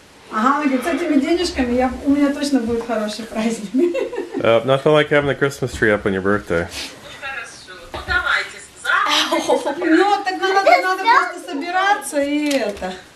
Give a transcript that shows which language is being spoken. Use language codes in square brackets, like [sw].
[ru] Ага, она говорит, с этими денежками я, у меня точно будет хороший праздник. [en] Nothing like having a Christmas tree up on your birthday. [ru] Ну хорошо, ну давайте. Ну, тогда надо просто собираться и это.